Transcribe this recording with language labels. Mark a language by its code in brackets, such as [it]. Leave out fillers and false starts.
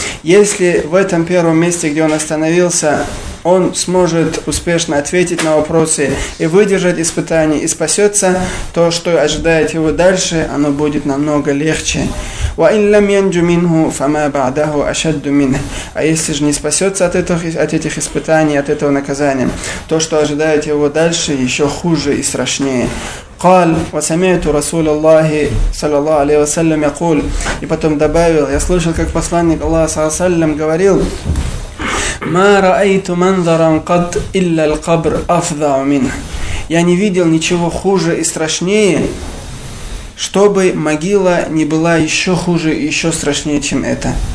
[ru] Если в этом первом месте, где он остановился, он сможет успешно ответить на вопросы и выдержать испытания, и спасется, то, что ожидает его дальше, оно будет намного легче. [ar] «Ваин лам янджу минху фама ба'даху ашадду мин». [ru] А если же не спасется от этих испытаний, от этого наказания, то, что ожидает его дальше, еще хуже и страшнее. [ar] قال وسمعت رسول الله صلى الله عليه وسلم يقول. [ru] И потом добавил: я слышал, как посланник Аллаха саллаллаху алейхи ва саллям говорил: [ar] ما رأيت منظرا قط إلا القبر أفظع منه. [ru] Я не видел ничего хуже и страшнее, чтобы могила не была еще хуже и еще страшнее, чем это.